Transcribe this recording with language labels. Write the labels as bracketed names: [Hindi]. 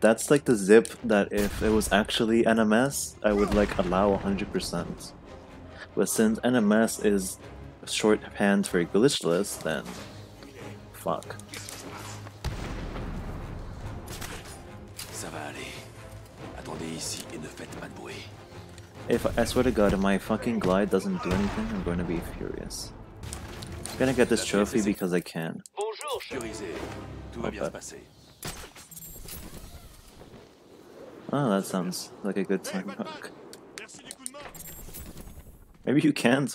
[English] That's like the zip that if it was actually NMS, I would like allow 100%. But since NMS is shorthand for glitchless, then fuck. [French] Ça va aller. Attendez ici et ne faites pas de bruit. [English] If I swear to God, if my fucking glide doesn't do anything, I'm gonna be furious. I'm gonna get this trophy because I can. [French] Bonjour, sécurisé. Tout va bien se passer. [English] Oh, that sounds like a good time. Hey, [French] merci du coup de main. [English] Maybe you can't.